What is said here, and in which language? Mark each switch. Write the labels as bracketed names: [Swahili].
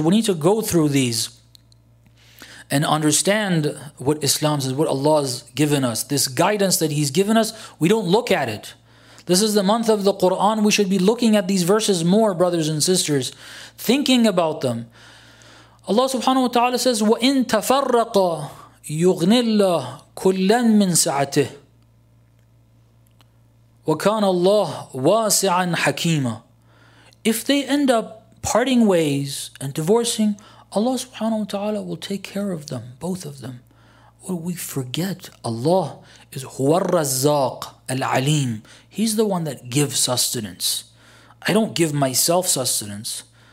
[English] We need to go through these and understand what Islam says, what Allah has given us. This guidance that He's given us, we don't look at it. This is the month of the Quran. We should be looking at these verses more, brothers and sisters, thinking about them. Allah subhanahu wa ta'ala says, [Arabic] وَإِن تَفَرَّقَ يُغْنِ اللَّهُ كُلًّا مِّن سَعَتِهِ وَكَانَ اللَّهُ وَاسِعًا حَكِيمًا. [English] If they end up parting ways and divorcing, Allah subhanahu wa ta'ala will take care of them, both of them. What we forget, Allah is Huwa Razzaq Al-Aleem. He's the one that gives sustenance. I don't give myself sustenance.